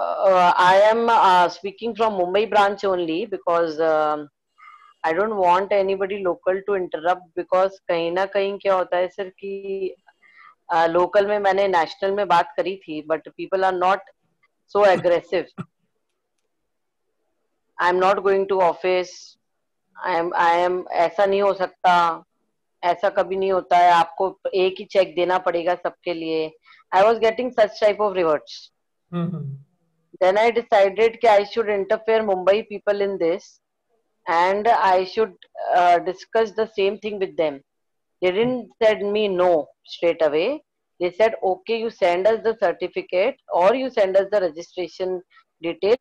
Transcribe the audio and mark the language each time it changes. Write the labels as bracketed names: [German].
[English] I am speaking from Mumbai branch only because I don't want anybody local to interrupt because [Hindi] कहीं ना कहीं क्या होता है सर कि local में मैंने national में बात करी थी [English] but people are not so aggressive. I am not going to office. I am [Hindi] ऐसा नहीं हो सकता, ऐसा कभी नहीं होता है, आपको एक ही check देना पड़ेगा सबके लिए. [English] I was getting such type of reverts. Then I decided कि I should interfere Mumbai people in this. And I should discuss the same thing with them. They didn't send me no straight away. They said, okay, you send us the certificate or you send us the registration detail.